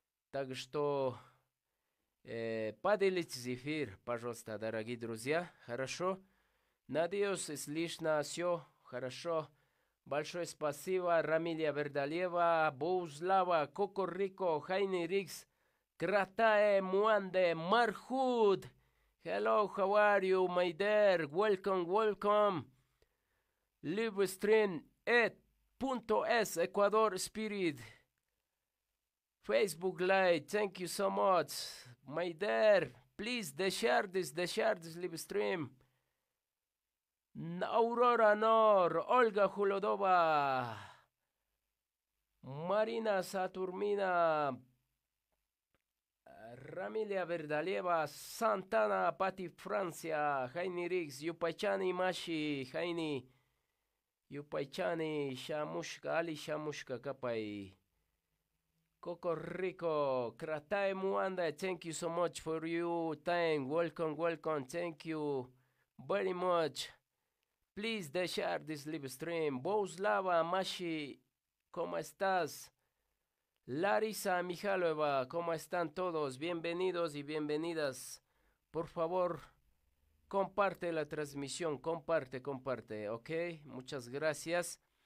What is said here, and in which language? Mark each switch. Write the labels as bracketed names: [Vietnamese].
[Russian] Так что поделитесь эфир, пожалуйста, дорогие друзья, хорошо? Надеюсь, слышно все. Хорошо. Большое спасибо, Рамилия Бердалева, Боузлава, Кокорико, Хайни Рикс, Кратае, Муанде, Мархуд. [English] Hello, how are you, my dear? Welcome, welcome. Livestream at.es, Ecuador Spirit. Facebook Live, thank you so much. My dear, please, share this livestream. Aurora Nor, Olga Julodova, Marina Saturmina, Ramilia Verdaleva, Santana, Pati Francia, Haini Riggs, Yupaychani Mashi, Haini, Yupaychani, Shamushka, Ali Shamushka Kapai, Coco Rico, Kratae Muanda, thank you so much for your time, welcome, thank you very much. Please share this live stream. [Spanish] Bouslava, Mashi, ¿cómo estás? Larisa Mijalova, ¿cómo están todos? Bienvenidos y bienvenidas. Por favor, comparte la transmisión. Comparte, ¿ok? Muchas gracias.